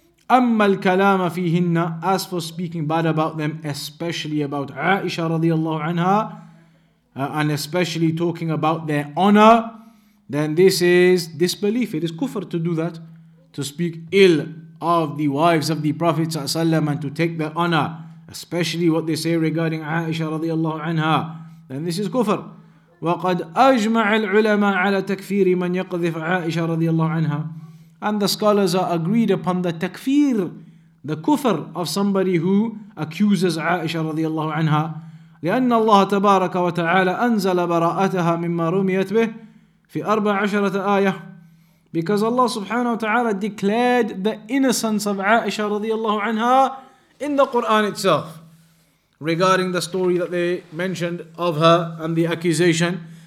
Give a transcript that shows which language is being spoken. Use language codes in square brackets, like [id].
[ar] أَمَّا الْكَلَامَ فِيهِنَّ [en] As for speaking bad about them, especially about Aisha radiallahu anha, and especially talking about their honor, then this is disbelief. It is kufr to do that, to speak ill of the wives of the Prophet ﷺ and to take their honor, especially what they say regarding Aisha radiallahu anha, then this is kufr. [ar] وَقَدْ أَجْمَعَ الْعُلَمَا عَلَى تَكْفِيرِ مَنْ يَقْذِفْ عَائِشَ رَضِيَ اللَّهُ عَنْهَا [en] And the scholars are agreed upon the takfir, the kufr of somebody who accuses Aisha radiallahu anha. [ar] لِأَنَّ اللَّهَ تَبَارَكَ وَتَعَالَى أَنزَلَ بَرَاءَتَهَا مِمَّا رُمِيَتْ بِهِ فِي أَرْبَ عَشَرَةَ آيَةٍ. [en] Because Allah subhanahu wa ta'ala declared the innocence of Aisha radiallahu anha in the Quran itself regarding the story that they mentioned of her and the accusation.